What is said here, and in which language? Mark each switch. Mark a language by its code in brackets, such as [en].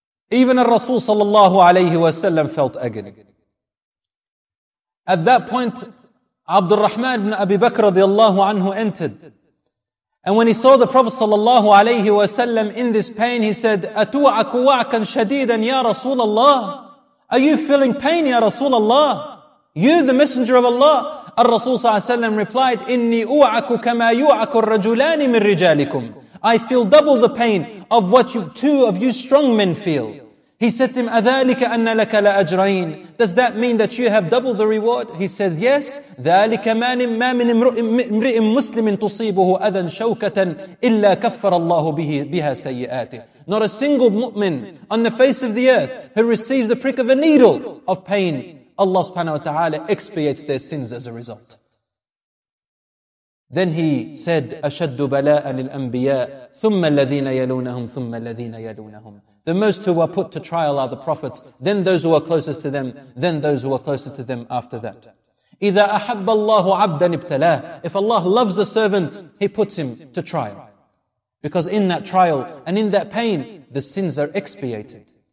[en] Even Rasul sallallahu alayhi wa sallam felt agony. At that point, Abdul Rahman ibn Abi Bakr radiallahu anhu entered. And when he saw the Prophet sallallahu alayhi wa sallam in this pain, he said, [ar] أَتُوعَكُ وَعْكًا شَدِيدًا يَا رَسُولَ اللَّهِ. [en] Are you feeling pain, Ya Rasulullah? You, the Messenger of Allah. Al-Rasul sallallahu alayhi wa sallam replied, [ar] إِنِّي أُوعَكُ كَمَا يُوعَكُ الرَّجُلَانِ مِنْ رِجَالِكُمْ. [en] I feel double the pain of what you, two of you strong men feel. He said to him, [ar] أَذَٰلِكَ أَنَّ لَكَ لَأَجْرَيْنِ. [en] Does that mean that you have double the reward? He says, yes. [ar] ذَٰلِكَ مَا مِنْ مْرِئٍ مُسْلِمٍ تُصِيبُهُ أَذًا شَوْكَةً إِلَّا كَفَّرَ اللَّهُ بِهَا سَيِّئَاتِهِ. [en] Not a single mu'min on the face of the earth who receives the prick of a needle of pain, Allah subhanahu wa ta'ala expiates their sins as a result. Then he said, [ar] أَشَدُّ بَلَاءً الْأَنْبِيَاءِ ثُمَّ الَّذِينَ يَلُونَهُمْ ثُمَّ الَّذِينَ يَلُونَهُمْ. [en] The most who are put to trial are the prophets, then those who are closest to them, then those who are closest to them after that. [ar] إِذَا أَحَبَّ اللَّهُ عَبْدًا ابْتَلَاهُ. [en] If Allah loves a servant, He puts him to trial. Because in that trial and in that pain, the sins are expiated.